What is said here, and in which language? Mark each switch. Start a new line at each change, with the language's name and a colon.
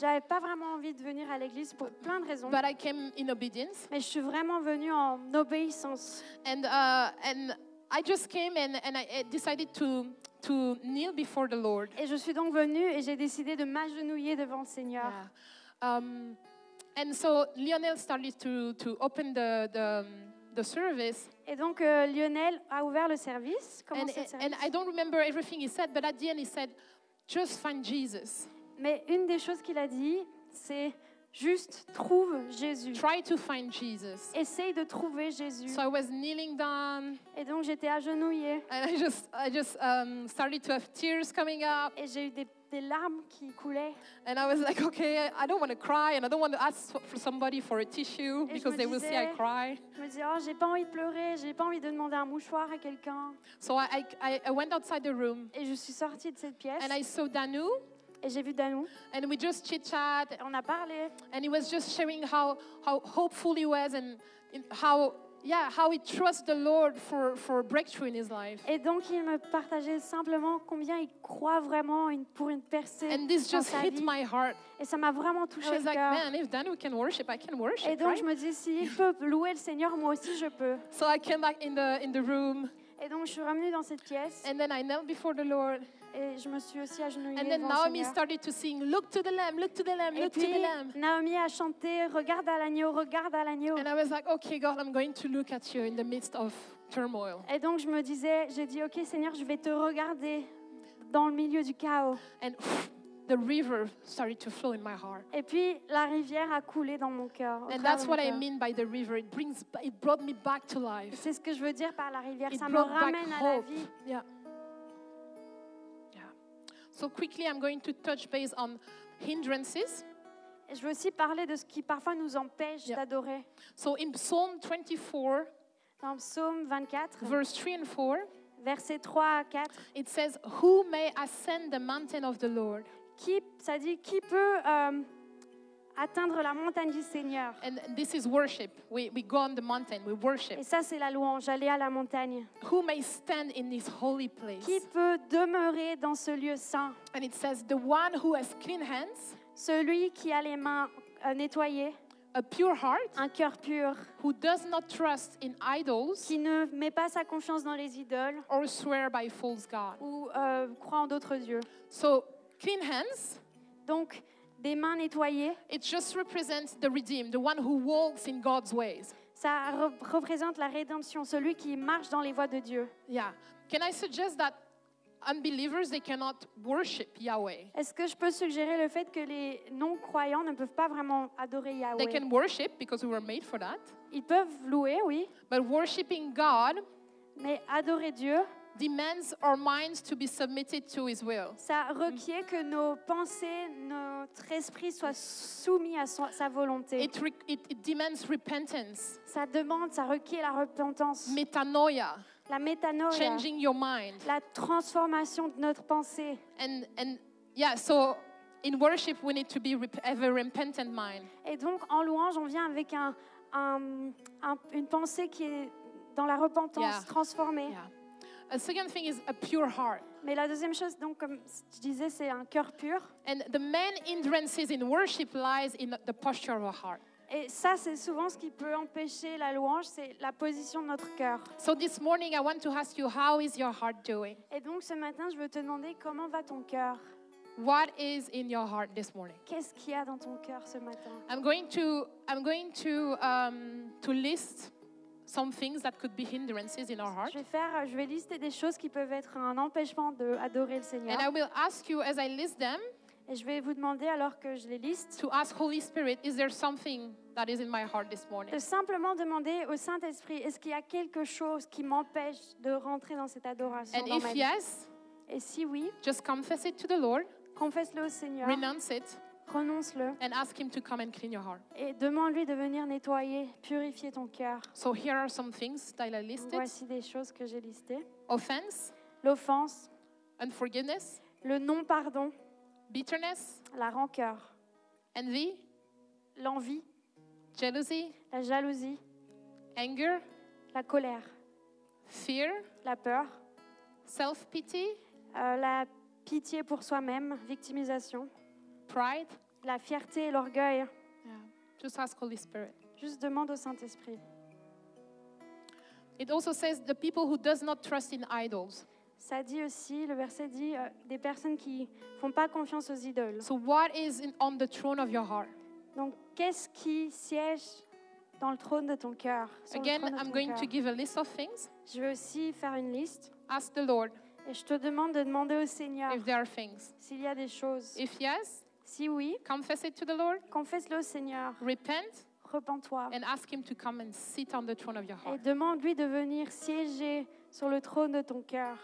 French: J'avais pas vraiment envie de venir à l'église pour plein de raisons.
English: But I came in obedience.
French: Mais je suis vraiment venue en obéissance.
English: And I just came and I decided to kneel before the Lord.
French: Et je suis donc venue et j'ai décidé de m'agenouiller devant le Seigneur.
English: Yeah. And so Lionel started to open the service.
French: Et donc Lionel a ouvert le service.
English: And I don't remember everything he said, but at the end he said, Just find Jesus.
French: Mais une des choses qu'il a dit, c'est juste trouve Jésus.
English: Try to find Jesus.
French: Essaye de trouver Jésus.
English: So I was kneeling down.
French: Et donc j'étais agenouillée.
English: And I just started to have tears coming up.
French: Et j'ai eu des larmes qui coulaient.
English: And I was like, okay, I don't want to cry and I don't want to ask for somebody for a tissue
French: et
English: because they
French: disais,
English: will see I cry.
French: Je me disais, oh, j'ai pas envie de pleurer, j'ai pas envie de demander un mouchoir à quelqu'un.
English: So I went outside the room.
French: Et je suis sortie de cette pièce.
English: And I saw Danu.
French: Et j'ai vu Danu.
English: And we just chit-chat.
French: On a parlé.
English: And he was just sharing how hopeful he was and how he trusts the Lord for a breakthrough in his life.
French: Et donc il me partageait simplement combien il croit vraiment pour une percée.
English: And this just hit my heart.
French: Et ça m'a vraiment touché le cœur.
English: I was like, man, if Danu can worship, I can worship.
French: Et donc
English: right?
French: Je me dis, si il peut louer le Seigneur, moi aussi je peux.
English: So I came back in the room.
French: Et donc je suis revenue dans cette pièce.
English: And then I knelt before the Lord.
French: Et je me suis aussi agenouillée.
English: And then Naomi started to sing, look to the lamb, look to the lamb, look to the lamb.
French: Naomi a chanté, regarde à l'agneau, regarde à l'agneau.
English: And I was like, okay, God, I'm going to look at you in the midst of turmoil.
French: Et donc je me disais, j'ai dit, okay, Seigneur, je vais te regarder dans le milieu du chaos.
English: And the river started to flow in my heart.
French: Et puis la rivière a coulé dans mon cœur.
English: And that's what I mean by the river. It brought me back to life.
French: C'est ce que je veux dire par la rivière. Ça me ramène à la vie.
English: Yeah. So quickly, I'm going to touch base on hindrances.
French: Et je veux aussi parler de ce qui parfois nous empêche d'adorer.
English: So in Psalm 24,
French: dans Psaume 24,
English: verse 3 and 4,
French: versets 3 à 4,
English: it says, "Who may ascend the mountain of the Lord?"
French: Qui, ça dit, qui peut atteindre la montagne du Seigneur?
English: And this is worship. We go on the mountain. We worship.
French: Et ça, c'est la louange, aller à la montagne.
English: Who may stand in this holy place?
French: Qui peut demeurer dans ce lieu saint?
English: And it says, the one who has clean hands.
French: Celui qui a les mains nettoyées.
English: A pure heart.
French: Un cœur pur.
English: Who does not trust in idols.
French: Qui ne met pas sa confiance dans les idoles.
English: Or swear by false gods.
French: Ou croit en d'autres dieux.
English: So clean hands.
French: Donc des mains nettoyées.
English: It just represents the redeemed, the one who walks in God's ways.
French: Ça représente la rédemption, celui qui marche dans les voies de Dieu.
English: Yeah. Can I suggest that unbelievers they cannot worship Yahweh?
French: Est-ce que je peux suggérer le fait que les non-croyants ne peuvent pas vraiment adorer Yahweh?
English: They can worship because we were made for that.
French: Ils peuvent louer, oui.
English: But worshiping God.
French: Mais adorer Dieu.
English: Demands our minds to be submitted to His will.
French: Ça requiert que nos pensées, notre esprit soit soumis à sa volonté.
English: It demands repentance.
French: Ça demande, ça requiert la repentance.
English: Metanoia.
French: La métanoïa.
English: Changing your mind.
French: La transformation de notre pensée.
English: So in worship we need to be have a repentant mind.
French: Et donc en louange on vient avec une pensée qui est dans la repentance, transformée.
English: Yeah. A second thing is a pure heart.
French: Mais la deuxième chose, donc, comme je disais, c'est un cœur pur.
English: And the main hindrances in worship lies in the posture of our heart.
French: Et ça, c'est souvent ce qui peut empêcher la louange, c'est la position de notre cœur.
English: So this morning, I want to ask you, how is your heart doing?
French: Et donc, ce matin, je veux te demander, comment va ton cœur?
English: What is in your heart this morning?
French: Qu'est-ce qu'il y a dans ton cœur ce matin?
English: I'm going to list some things that could be hindrances in our heart.
French: Je vais lister des choses qui peuvent être un empêchement de adorer le Seigneur.
English: And I will ask you as I list them.
French: Et je vais vous demander alors que je les liste.
English: To ask Holy Spirit, is there something that is in my heart this morning?
French: De simplement demander au Saint-Esprit, est-ce qu'il y a quelque chose qui m'empêche de rentrer dans cette adoration?
English: And
French: dans
English: if
French: ma vie?
English: Yes.
French: Et si oui.
English: Just confess it to the Lord.
French: Confesse-le au Seigneur.
English: Renounce it.
French: Renonce-le.
English: And ask him to come and clean your heart.
French: Et demande-lui de venir nettoyer, purifier ton cœur.
English: So here are some things that I listed.
French: Voici des choses que j'ai listées.
English: Offense.
French: L'offense.
English: Unforgiveness.
French: Le non-pardon.
English: Bitterness.
French: La rancœur.
English: Envy.
French: L'envie.
English: Jealousy.
French: La jalousie.
English: Anger.
French: La colère.
English: Fear.
French: La peur.
English: Self-pity.
French: La pitié pour soi-même, victimisation.
English: Pride.
French: La fierté et l'orgueil.
English: Yeah. Just ask Holy Spirit.
French: Juste demande au Saint-Esprit.
English: It also says the people who does not trust in idols.
French: Ça dit aussi, le verset dit, des personnes qui font pas confiance aux idoles.
English: So what is on the throne of your heart?
French: Donc, qu'est-ce qui siège dans le trône de ton cœur?
English: Again, I'm going to give a list of things.
French: Je vais aussi faire une liste.
English: Ask the Lord.
French: Et je te demande de demander au Seigneur
English: if there are things.
French: S'il y a des choses.
English: If yes,
French: si oui,
English: confess it to the Lord.
French: Confesse-le au Seigneur.
English: Repent.
French: Repens-toi.
English: And ask him to come and sit on the throne of your heart.
French: Et demande-lui de venir siéger sur le trône de ton cœur.